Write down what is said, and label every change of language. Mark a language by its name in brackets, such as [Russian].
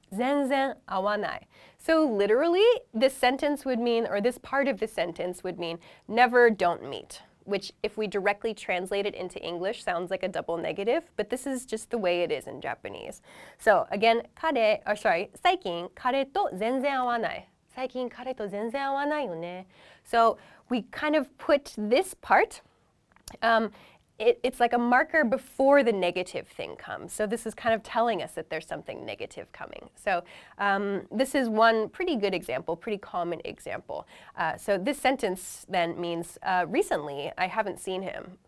[Japanese] 全然会わない. [English] So literally, this sentence would mean, or this part of the sentence would mean, never don't meet, which if we directly translate it into English sounds like a double negative, but this is just the way it is in Japanese. So again, [Japanese] 彼, [English] or sorry, [Japanese] 最近彼と全然会わない。最近彼と全然会わないよね。 [English] So we kind of put this part, it's like a marker before the negative thing comes. So this is kind of telling us that there's something negative coming. So this is one pretty good example, pretty common example. So this sentence then means, recently I haven't seen him.